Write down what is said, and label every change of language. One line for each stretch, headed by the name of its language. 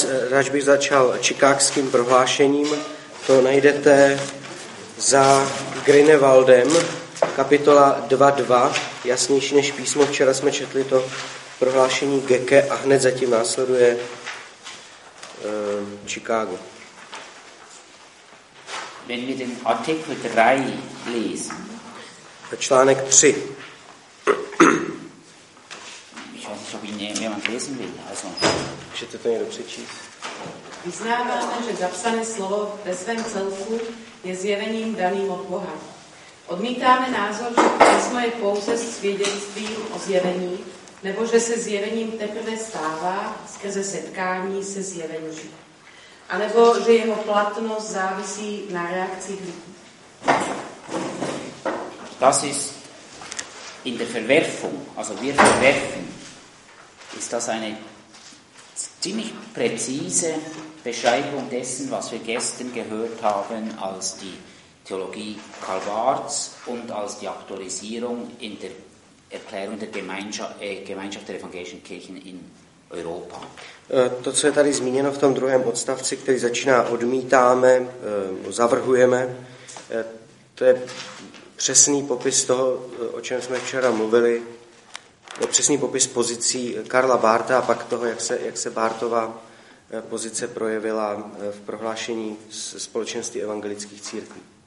Czech: Rád bych začal chicagským prohlášením. To najdete za Grinewaldem, kapitola 2.2, jasnější než písmo. Včera jsme četli to prohlášení Gecke a hned zatím následuje Chicago.
German: Wenn wir den Artikel 3 lesen.
Czech: Článek 3.
German: Ich weiß nicht, ob ich nicht mehr lesen will. Also.
Czech: Můžete to někdo přečíst? Vyznáváme, že zapsané slovo ve svém celku je zjevením daným od Boha. Odmítáme názor, že písmo je pouze svědectvím o zjevení, nebo že se zjevením teprve stává skrze setkání se zjevením. A nebo že jeho platnost závisí na reakci lidí.
German: Das ist in der Verwerfung, also wir verwerfen, ist das eine ziemlich präzise Beschreibung dessen, was wir gestern gehört haben, als die Theologie Karl Barths und als die Aktualisierung in der Erklärung der Gemeinschaft der evangelischen Kirchen in Europa.
Czech: To, co je tady zmíněno v tom druhém odstavci, který začíná odmítáme, zavrhujeme, to je přesný popis toho, o čem jsme včera mluvili, přesný popis pozicí Karla Bártha a pak toho, jak se Barthova pozice projevila v prohlášení společenství evangelických církví.